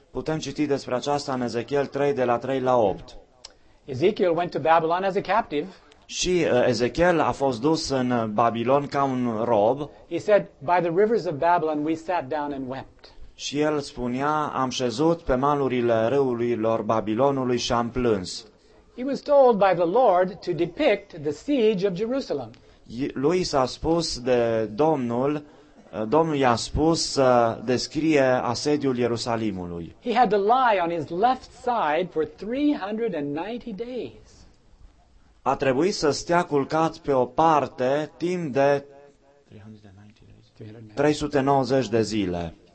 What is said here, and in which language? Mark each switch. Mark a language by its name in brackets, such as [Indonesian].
[Romanian] Putem citi despre aceasta în Ezechiel 3 de la 3 la 8. [English] Ezekiel went to Babylon as a captive. [Romanian] Și Ezechiel a fost dus în Babilon ca un rob. [English] He said, by the rivers of Babylon we sat down and wept. [Romanian] Și el spunea, am șezut pe malurile râurilor Babilonului și am plâns. [English] He was told by the Lord to depict the siege of Jerusalem. [Romanian] Lui s-a spus de Domnul, Domnul i-a spus să descrie asediul Ierusalimului. [English] He had to lie on his left side for 390 days. [Romanian] A trebuit să stea culcat pe o parte timp de 390 de zile.